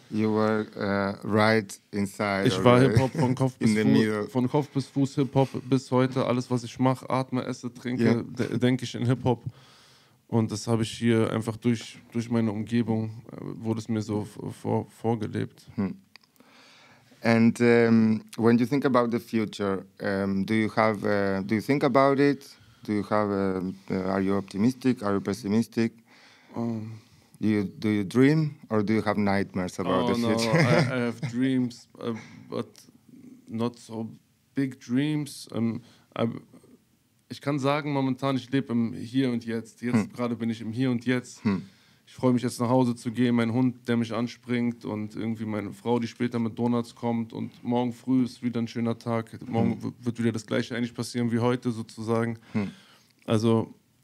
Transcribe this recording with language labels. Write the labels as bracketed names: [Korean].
[English] You were right inside. [German] Ich war Hip-Hop von Kopf bis Fuß. Von Kopf bis Fuß Hip-Hop bis heute. Alles, was ich mache, atme, esse, trinke, denke ich in Hip-Hop. Und das habe ich hier einfach durch meine Umgebung, wurde es mir so vorgelebt. [English] And when you think about the future, do you think about it? Do you have, are you optimistic? Are you pessimistic? Do you dream or do you have nightmares about the future? No, I have dreams, but not so big dreams. [German] Ich kann sagen, momentan, ich lebe im Hier und Jetzt. Jetzt gerade bin ich im Hier und Jetzt. Ich freue mich jetzt nach Hause zu gehen, mein Hund, der mich anspringt und irgendwie meine Frau, die später mit Donuts kommt. Und morgen früh ist wieder ein schöner Tag. Morgen wird wieder das Gleiche eigentlich passieren wie heute sozusagen. Also...